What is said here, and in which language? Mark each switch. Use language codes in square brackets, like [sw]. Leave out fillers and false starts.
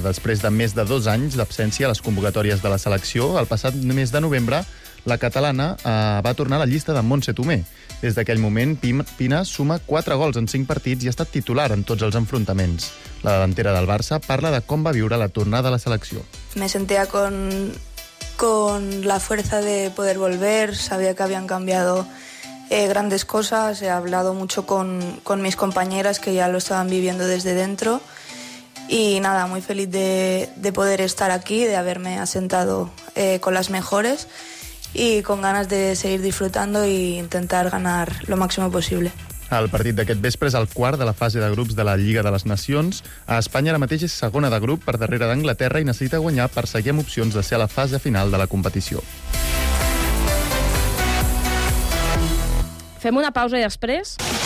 [ca] Després de més de 2 anys d'absència a les convocatòries de la selecció, el passat mes de novembre, la catalana va tornar a la llista de Montse Tomé. Des d'aquell moment, Pina suma 4 gols en 5 partits i ha estat titular en tots els enfrontaments. La davantera del Barça parla de com va viure la tornada a la selecció. [es] Me sentía con la fuerza de poder volver. Sabía que habían cambiado grandes cosas. He hablado mucho con mis compañeras que ya lo estaban viviendo desde dentro. Y nada, muy feliz de poder estar aquí, de haberme asentado con las mejores y con ganas de seguir disfrutando e intentar ganar lo máximo posible. [ca] El partit d'aquest vespre és el quart de la fase de grups de la Lliga de les Nacions. A Espanya ara mateix és segona de grup per darrere d'Anglaterra i necessita guanyar per seguir amb opcions de ser a la fase final de la competició. Fem una pausa i després...